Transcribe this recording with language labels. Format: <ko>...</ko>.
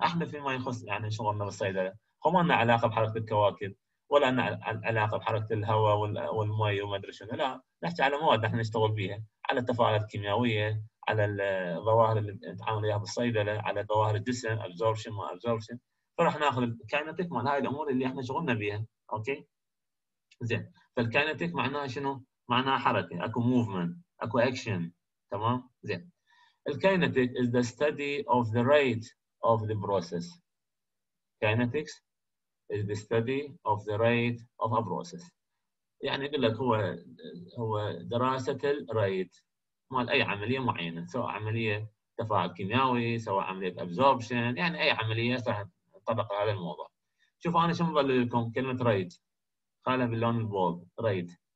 <ar>احنا فيما يخص يعني شغلنا بالصيدله هو ما لنا علاقه بحركه الكواكب ولا لنا علاقه بحركه الهواء والمي وما ادري شنو، لا نحكي على مواد احنا نشتغل بها، على التفاعلات الكيميائيه، على الظواهر اللي نتعامل وياها بالصيدله، على ظواهر الجسم ابزوربشن ما ابزوربشن، فراح ناخذ الكاينتك مال هاي الامور اللي احنا شغلنا بها. اوكي زين، فالكاينتك معناها شنو؟ معناها حركه، اكو موفمنت، اكو اكشن. تمام زين،</ar> <en>الكاينتك is the study of the rate of the process. Kinetics is the study of the rate of a process.</en> <ar>يعني يقول لك هو دراسة الـ rate مال أي عملية معينة، سواء عملية تفاعل كيميائي، سواء عملية absorption، يعني أي عملية راح تنطبق على الموضوع. شوف أنا شو مظلل لكم كلمة rate، خالها باللون البولد rate.</ar>